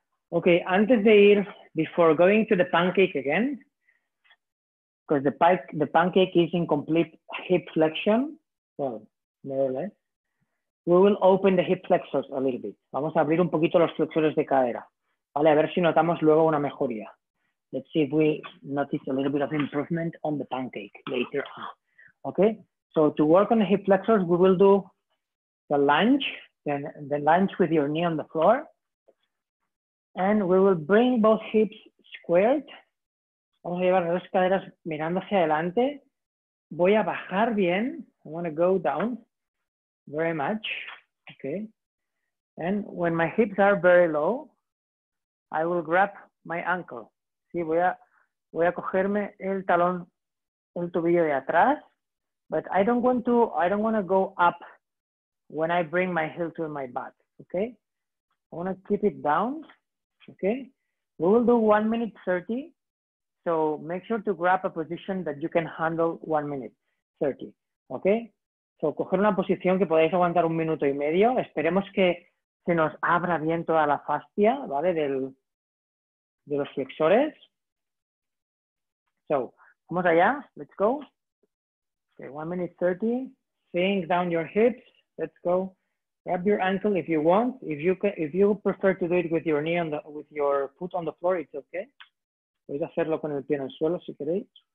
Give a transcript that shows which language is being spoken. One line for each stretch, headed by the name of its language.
English: Okay, antes de ir, before going to the pancake again, because the pancake is in complete hip flexion, well, more or less, we will open the hip flexors a little bit.
Spanish: Vamos a abrir un poquito los flexores de cadera. Vale, a ver si notamos luego una mejoría.
English: Let's see if we notice a little bit of improvement on the pancake later on. Okay, so to work on the hip flexors, we will do the lunge, then the lunge with your knee on the floor. And we will bring both hips squared.
Spanish: Vamos a llevar las dos caderas mirando hacia adelante.
English: Voy a bajar bien. I want to go down very much. Okay. And when my hips are very low, I will grab my ankle.
Spanish: Sí, voy a cogerme el talón, el tobillo de atrás.
English: But I don't want to go up when I bring my heel to my butt, okay? I want to keep it down, okay? We will do 1:30. So make sure to grab a position that you can handle 1:30, okay?
Spanish: So coger una posición que podáis aguantar 1.5 minutos. Esperemos que se nos abra bien toda la fascia, ¿vale? De los flexores. So, vamos allá, let's go.
English: Okay, 1:30, sink down your hips. Let's go. Grab your ankle if you want. If you prefer to do it with your knee on the with your foot on the floor, it's okay.
Spanish: Podéis hacerlo con el pie en el suelo si queréis.